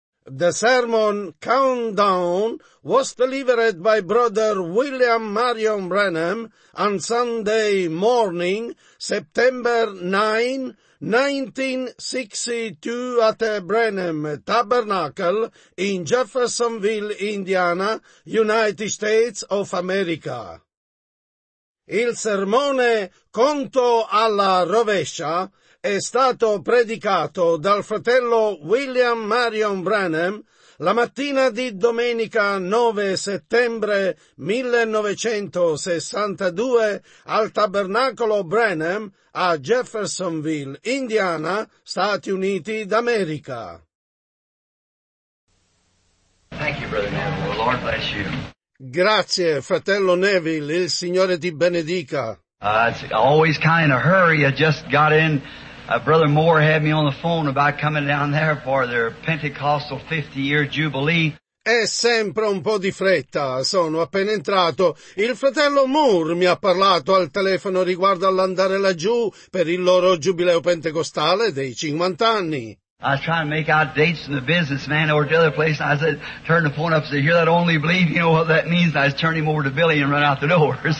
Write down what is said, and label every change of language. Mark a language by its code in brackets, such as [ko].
[en] The sermon Countdown was delivered by Brother William Marion Branham on Sunday morning, September 9, 1962, at the Branham Tabernacle in Jeffersonville, Indiana, United States of America. [it] Il sermone Conto alla rovescia è stato predicato dal fratello William Marion Branham la mattina di domenica 9 settembre 1962 al Tabernacolo Branham a Jeffersonville, Indiana, Stati Uniti d'America. [en] Thank you, Brother Neville. The Lord bless you. [it] Grazie, fratello Neville. Il Signore ti benedica. [en] It's always kind of hurry. I just got in. Brother Moore had me on the phone about coming down there for their Pentecostal 50-year jubilee. [it] È sempre un po' di fretta. Sono appena entrato. Il fratello Moore mi ha parlato al telefono riguardo all'andare laggiù per il loro giubileo pentecostale dei 50 anni. [en] I was trying to make out dates from the businessman over to the other place, and I said, turned the phone up and said, you're that only believe, you know what that means? And I was turning him over to Billy and run out the door.